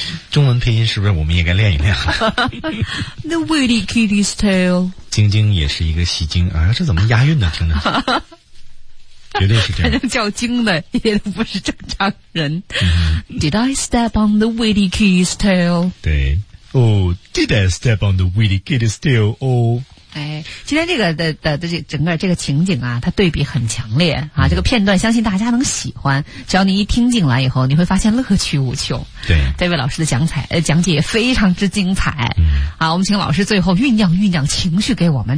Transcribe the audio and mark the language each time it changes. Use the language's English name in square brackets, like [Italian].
[Chinese] 中文配音是不是我们也该练一练啊？那 witty kitty's tail，晶晶也是一个戏精啊，这怎么押韵呢？听着，绝对是这样。反正叫精的也不是正常人。嗯、 [English] Did I step on the witty kitty's tail？ [Chinese] 对。 [English] Oh, did I step on the witty kitty's tail? Oh, [Chinese] 哎，今天这个的这整个这个情景啊，它对比很强烈啊。这个片段相信大家能喜欢，只要你一听进来以后，你会发现乐趣无穷。对， David老师的讲解也非常之精彩。嗯，好，我们请老师最后酝酿情绪给我们